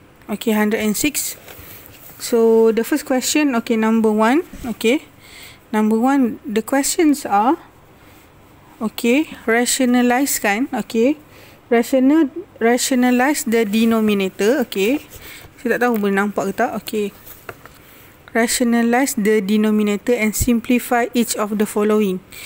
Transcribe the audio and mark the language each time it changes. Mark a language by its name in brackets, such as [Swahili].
[English] Okay, 106. So, the first question, okay, number one, okay. Number one, the questions are, okay, rationalize the denominator, okay. [Malay] Saya tak tahu boleh nampak ke tak, okay. [English] Rationalize the denominator and simplify each of the following.